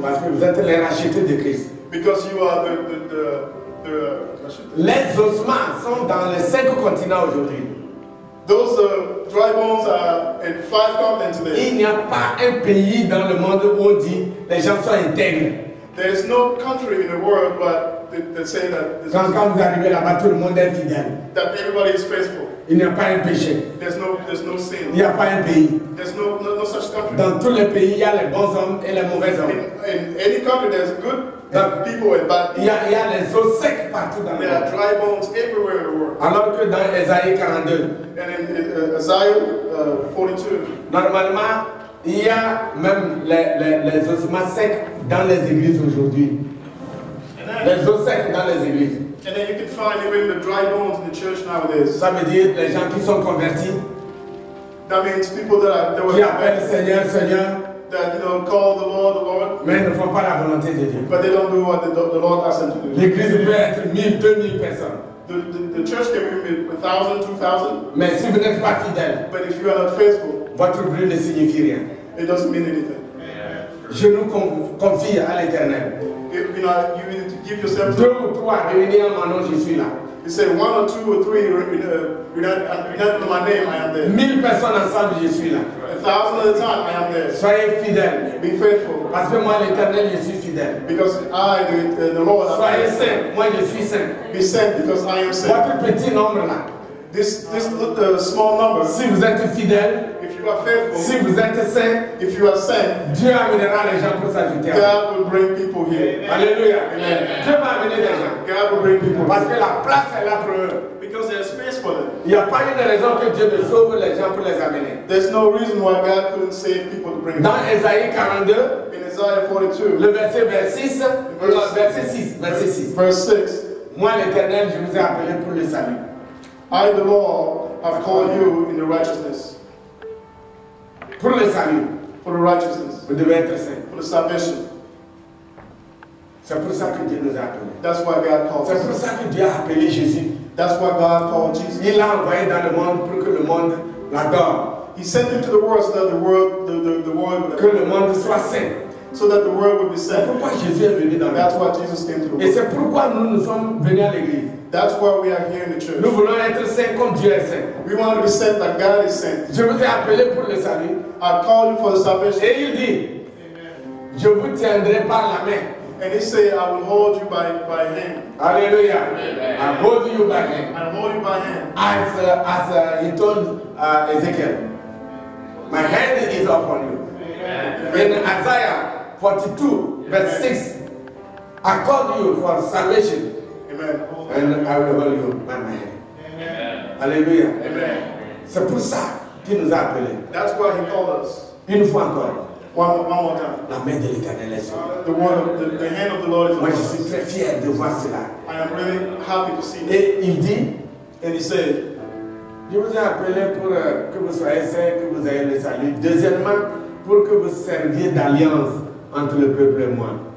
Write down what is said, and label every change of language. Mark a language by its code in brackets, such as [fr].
[fr] Parce que vous êtes les rachetés de Christ. [en] Because you are the rachetés. [fr] Les ossements sont dans les cinq continents aujourd'hui. [en] Those dry bones are in five continents today. [fr] Il n'y a pas un pays dans le monde où on dit les gens sont intègres. [en] There is no country in the world but they say that. [fr] Quand vous arrivez là-bas, tout le monde est fidèle. [en] That everybody is faithful. [fr] Il n'y a pas un péché. [en] There's no sin. [fr] Il n'y a pas un pays. [en] There's no such country. [fr] Dans tous les pays, il y a les bons hommes et les mauvais hommes. [en] In any country, there's good people and bad people. [fr] Il y a les os secs partout dans le monde. [en] There are dry bones everywhere in the world. [fr] Alors que dans Esaïe 42. [en] And in Isaiah 42. [fr] Normalement, il y a même les ossements secs dans les églises aujourd'hui. Les os secs dans les églises. [en] And then you can find even the dry bones in the church nowadays. [fr] Ça veut dire les gens qui sont convertis. [en] That means people that [fr] qui appellent Seigneur, Seigneur. [en] That you know, call the Lord, the Lord. [fr] Mais ne font pas la volonté de Dieu. [en] But they don't do what the Lord asks them to do. [fr] L'église peut être 1000, 2000 personnes. [en] The church can be 1,000, 2,000. [fr] Mais si vous n'êtes pas fidèle. [en] But if you are not faithful. [fr] Votre vie ne signifie rien. [en] It doesn't mean anything. [fr] Je nous confie à l'Éternel. [en] You know, you need to give yourself. [fr] Deux ou trois réunis en mon nom, je suis là. [en] You say one or two or three, without my name, I am there. [fr] Mille personnes ensemble, je suis là. [en] A thousand at a time, I am there. [fr] Soyez fidèles. [en] Be faithful. [fr] Parce que moi, l'Éternel, je suis fidèle. [en] Because I, the Lord. [fr] Soyez saint. Moi, je suis saint. [en] Be saint, because I am saint. [fr] Votre petit nombre là. [en] This little small number. [fr] Si vous êtes fidèle. [en] You are faithful. [fr] Si vous êtes saint, [en] if you are saint, [fr] Dieu amènera les gens pour s'ajouter. [en] God will bring people here. [fr] Alléluia. Amen. Dieu va amener les gens. [en] God will bring people. [fr] Parce que la place est là pour eux. [en] Because there is space for them. [fr] Il n'y a pas une raison que Dieu ne sauve les gens pour les amener. [en] There's no reason why God couldn't save people to bring them. [fr] Dans Esaïe 42. [en] In Isaiah 42. [fr] Le verset 6. [en] Verse 6. [fr] Moi, l'Éternel, je vous ai appelé pour le salut. [en] I, the Lord, have called you in the righteousness. [fr] Pour le salut. [en] For the righteousness. [fr] Vous devez être saint. [en] For the salvation. [fr] C'est pour ça que Dieu nous a appelé. [en] That's why God called Jesus. [fr] C'est pour ça que Dieu a appelé Jésus. [en] That's why God called Jesus. [fr] Il l'a envoyé dans le monde pour que le monde l'adore. [en] He sent him to the world so that the world would [fr] que le monde soit saint. [en] so that the world would be saved. [fr] Pourquoi Jésus est venu dans [en] That's why Jesus came to the world. [fr] Et c'est pourquoi nous nous sommes venus à l'église. [en] That's why we are here in the church. [fr] Nous voulons être saints comme Dieu est saint. [en] We want to be saint like God is saint. [fr] Je vous ai appelé pour le salut. [en] I called you for the salvation. [fr] Et il dit, Amen. Je vous tiendrai par la main. [en] And he said, I will hold you by hand. Hallelujah. Amen. I hold you by hand. I hold you by hand. As he told Ezekiel, my hand is upon you. Amen. In Isaiah 42, Amen. Verse 6, I called you for salvation. Amen. And I will hold you by my hand. Amen. Hallelujah. Amen. [fr] C'est pour ça qu'il nous a appelé. [en] That's why he called us. [fr] Une fois encore. [en] One more time. [fr] La main de l'Éternel est sur. [en] The word of the hand of the Lord is on. [fr] Moi je suis très fier de voir cela. [en] I am really happy to see. [fr] Et il dit, [en] and he said, [fr] je vous ai appelé pour que vous soyez saints, que vous ayez le salut. Deuxièmement, pour que vous serviez d'alliance entre le peuple et moi.